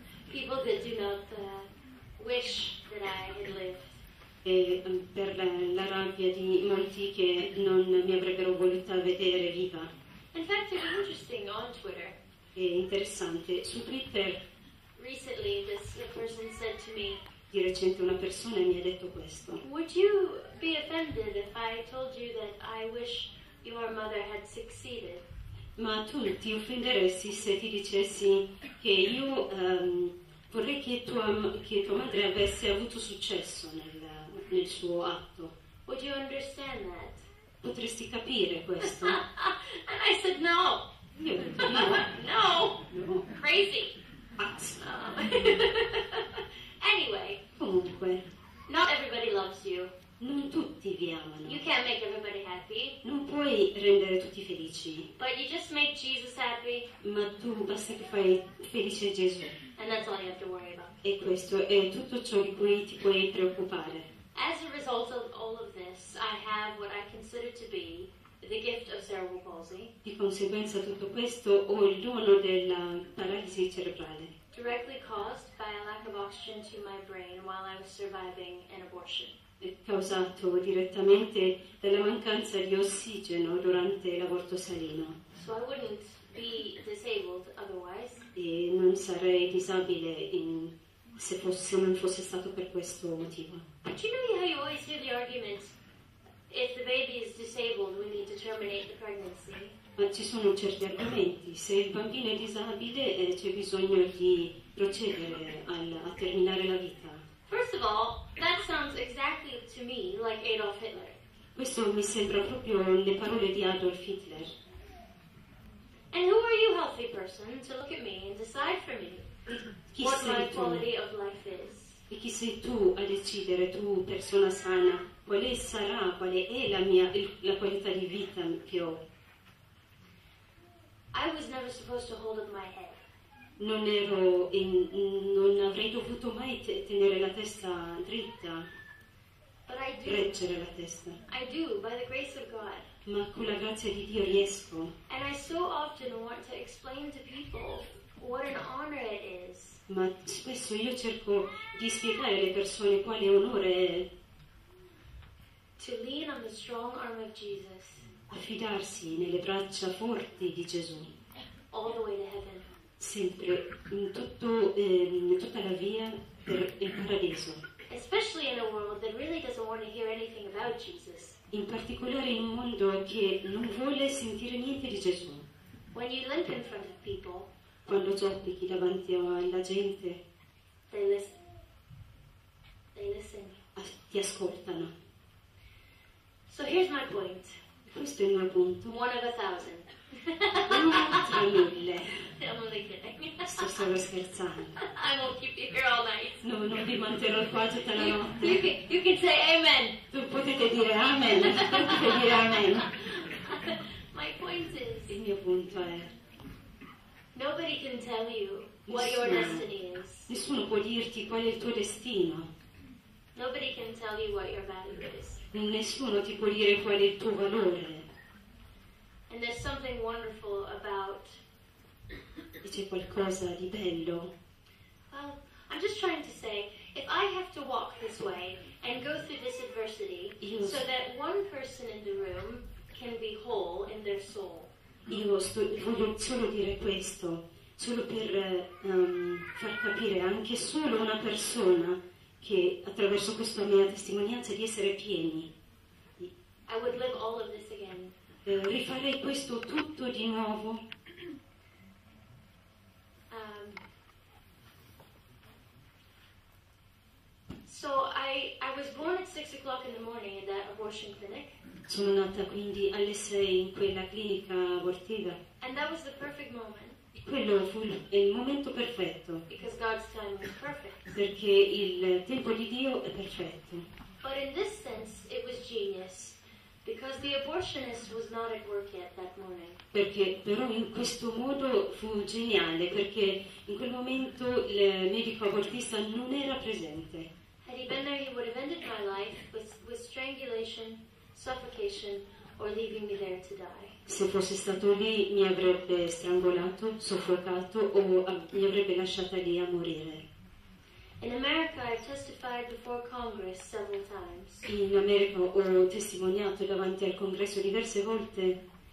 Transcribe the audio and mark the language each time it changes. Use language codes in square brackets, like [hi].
[en] People that do not wish that I had lived. [it] E per la rabbia di molti che non mi avrebbero voluta vedere viva. [en] In fact, it was interesting on Twitter. [it] È interessante su Twitter. [en] Recently, this person said to me. [it] Di recente una persona mi ha detto questo. [en] Would you be offended if I told you that I wish your mother had succeeded? [it] Ma tu ti offenderesti se ti dicessi che io vorrei che tua madre avesse avuto successo nel suo atto? [en] Would you understand that? [it] Potresti capire questo? [en] And I said no. [it] Io ho detto no. [en] No. [it] No. [en] Crazy. [it] Pazzo. [en] Anyway, [it] comunque, [en] not everybody loves you. [it] Non tutti vi amano. [en] You can't make everybody happy. [it] Non puoi rendere tutti felici. [en] But you just make Jesus happy. [it] Ma tu basta che fai felice Gesù. [en] And that's all you have to worry about. [it] E questo è tutto ciò di cui ti puoi preoccupare. [en] As a result of all of this, I have what I consider to be the gift of cerebral palsy. [it] Di conseguenza tutto questo ho il dono della paralisi cerebrale. [en] Directly caused by a lack of oxygen to my brain while I was surviving an abortion. [it] Causato direttamente dalla mancanza di ossigeno durante l'aborto salino. [en] So I wouldn't be disabled otherwise. [it] E non sarei disabile se non fosse stato per questo motivo. [en] But you know how you always hear the argument, if the baby is disabled, we need to terminate the pregnancy. [it] Ma ci sono certi argomenti. Se il bambino è disabile, c'è bisogno di procedere a terminare la vita. [en] First of all, that sounds exactly to me like Adolf Hitler. [it] Questo mi sembra proprio le parole di Adolf Hitler. [en] And who are you, healthy person, to look at me and decide for me what my quality of life is? [it] E chi sei tu a decidere, tu persona sana, quale sarà, quale è la qualità di vita che ho? [en] I was never supposed to hold up my head. [it] Non avrei dovuto mai tenere la testa dritta. [en] But I do. [it] Reggere la testa. [en] I do, by the grace of God. [it] Ma con la grazia di Dio riesco. [en] And I so often want to explain to people what an honor it is. [it] Ma spesso io cerco di spiegare alle persone quale onore è. [en] To lean on the strong arm of Jesus. [it] Affidarsi nelle braccia forti di Gesù. [en] All the way to heaven. [it] Sempre, in tutta la via per il paradiso. [en] Especially in a world that really doesn't want to hear anything about Jesus. [it] In particolare in un mondo che non vuole sentire niente di Gesù. [en] When you limp in front of people, [it] quando zoppichi davanti alla gente, [en] they listen. [it] Ti ascoltano. [en] So here's my point. [it] Questo è il mio punto. [en] One of a thousand. [it] Uno tra mille. [en] I'm only kidding. [it] Sto solo scherzando. [en] I won't keep you here all night. [it] No, non vi manterrò qua tutta la notte. [en] You can say amen. [it] Tu potete dire amen. Potete dire amen. [en] My point is. [it] Il mio punto è. [en] Nobody can tell you what your destiny is. [it] Nessuno può dirti qual è il tuo destino. [en] Nobody can tell you what your value is. [it] Nessuno ti può dire qual è il tuo valore. [en] And there's something wonderful about. [it] E c'è qualcosa di bello. [en] Well, I'm just trying to say, if I have to walk this way and go through this adversity, so that one person in the room can be whole in their soul. [it] Io voglio solo dire questo, solo per far capire anche solo una persona. Che attraverso questa mia testimonianza di essere pieni [en] I would live all of this again. [it] Rifarei questo tutto di nuovo. [en] So I was born at 6 o'clock in the morning in that abortion clinic. [it] Sono nata quindi alle 6 in quella clinica abortiva. [en] And that was the perfect moment. [it] Quello fu il momento perfetto. [en] Because God's time was perfect. [it] Perché il tempo di Dio è perfetto. [en] But in this sense it was genius. Because the abortionist was not at work yet that morning. [it] Perché però in questo modo fu geniale, perché in quel momento il medico abortista non era presente. [en] Had he been there, he would have ended my life with strangulation, suffocation, or leaving me there to die. [it] Se fosse stato lì, mi avrebbe strangolato, soffocato, o mi avrebbe lasciata lì a morire. [en] In America, I've testified before Congress several times. [it] In America ho testimoniato davanti al Congresso diverse volte.